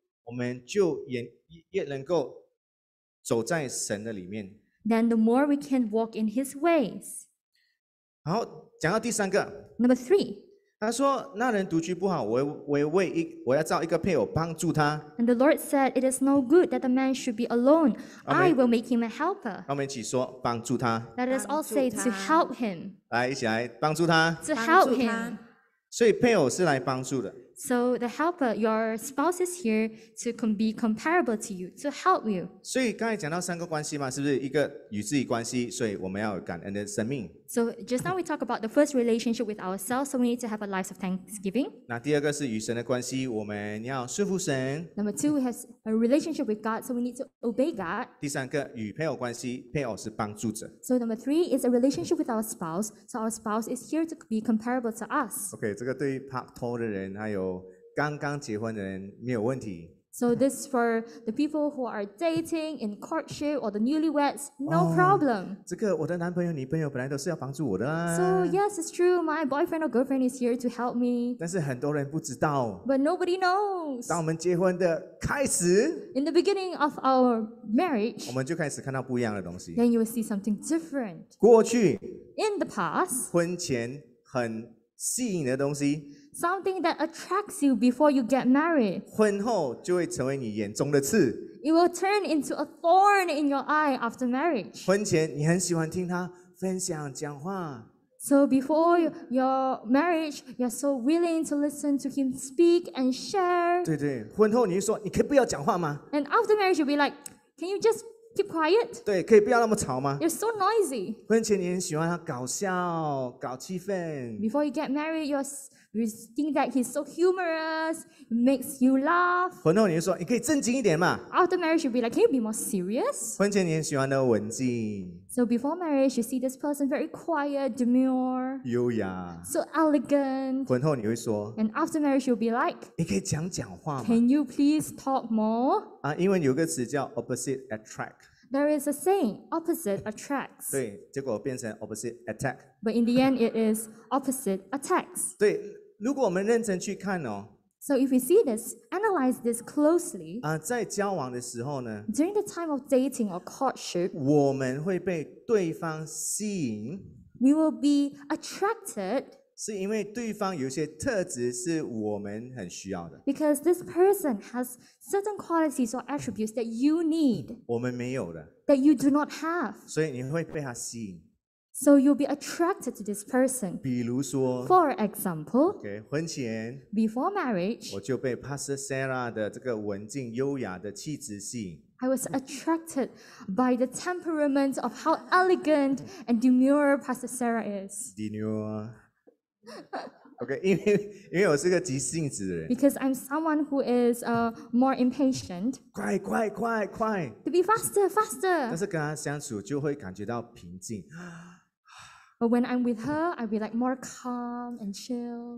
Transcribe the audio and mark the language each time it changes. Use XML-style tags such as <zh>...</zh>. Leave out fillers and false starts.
<zh>我们就 越能够走在神的里面。</zh> <en>Then the more we can walk in His ways。</en> <zh>好，讲到第三个</zh> <en>，Number three，</en> <zh>他说那人独居不好，我要造一个配偶帮助他。</zh> <en>And the Lord said, it is no good that a man should be alone. I will make him a helper.</en> <zh>我们一起说帮助他。</zh> <en>Let us all say to help him.</en> <zh>来，一起来帮助他。</zh> <en>To help him.</en> <zh>所以配偶是来帮助的。</zh> <en>So the helper, your spouse is here to be comparable to you, to help you.</en> <zh>所以刚才讲到三个关系嘛，是不是一个与自己关系？所以我们要有感恩的生命。</zh> <en>So just now we talk about the first relationship with ourselves, so we need to have a life of thanksgiving.</en> <zh>那第二个是与神的关系，我们要顺服神。</zh> <en>Number two, we have a relationship with God, so we need to obey God.</en> <zh>第三个与配偶关系，配偶是帮助者。</zh> <en>So number three is a relationship with our spouse, so our spouse is here to be comparable to us.</en> <zh>Okay, 这个对于 partner 的人还有刚刚结婚的人没有问题。</zh> <en>So this is for the people who are dating in courtship or the newlyweds, no problem.</en> <zh>这个我的男朋友、女朋友本来都是要帮助我的啦。</zh> <en>So yes, it's true. My boyfriend or girlfriend is here to help me.</en> <zh>但是很多人不知道。</zh> <en>But nobody knows.</en> <zh>当我们结婚的开始</zh> <en>，In the beginning of our marriage,</en> <zh>我们就开始看到不一样的东西。</zh> <en>Then you will see something different.</en> <zh>过去</zh> <en>，In the past,</en> <zh>婚前很吸引的东西。</zh> <en>Something that attracts you before you get married.</en> <zh>婚后就会成为你眼中的刺。</zh> <en>It will turn into a thorn in your eye after marriage.</en> <zh>婚前你很喜欢听他分享讲话。</zh> <en>So before your marriage, you're so willing to listen to him speak and share.</en> <zh>对对，婚后你就说你可以不要讲话吗</zh> <en>？And after marriage, you'll be like, can you just keep quiet?</en> <zh>对，可以不要那么吵吗</zh> <en>？You're so noisy.</en> <zh>婚前你很喜欢他搞笑搞气氛。</zh> <en>Before you get married, you think that he's so humorous, makes you laugh.</en> <zh>婚后你就说，你可以正经一点嘛。</zh> <en>After marriage, you'll be like, can you be more serious?</en> <zh>婚前你很喜欢的文静。</zh> <en>So before marriage, you see this person very quiet, demure,</en> <zh>优雅</zh> <en>so elegant.</en> <zh>婚后你会说，</zh> <en>and after marriage, you'll be like,</en> <zh>你可以讲讲话吗？</zh> <en>Can you please talk more?</en> <zh>英文有个词叫</zh> <en>opposite attract. There is a saying, opposite attracts.</en> <zh>对，结果变成</zh> <en>opposite attack. But in the end, it is opposite attacks.</en> <zh>对，如果我们认真去看哦。</zh> <en>So if we see this, analyze. analyze this closely,</en> <zh>在交往的时候呢,</zh> <en>during the time of dating or courtship,</en> <zh>我们会被对方吸引,</zh> <en>we will be attracted,</en> <zh>是因为对方有些特质是我们很需要的,</zh> <en>because this person has certain qualities or attributes that you need,</en> <zh>我们没有的,</zh> <en>that you do not have,</en> <zh>所以你会被他吸引。</zh> <en>So you'll be attracted to this person.</en> <zh>比如说,</zh> <en>for example,</en> <zh>okay, 婚前,</zh> <en>before marriage,</en> <zh>我就被 Pastor Sarah 的这个文静优雅的气质吸引。</zh> <en>I was attracted by the temperament of how elegant and demure Pastor Sarah is.</en> <zh>Demure. Okay, 因为我是个急性子的人。</zh> <en>Because I'm someone who is more impatient.</en> <zh>快快快快。</zh> <en>To be faster, faster.</en> <zh>但是跟他相处就会感觉到平静。</zh> <en>But when I'm with her, I'll be like more calm and chill.</en>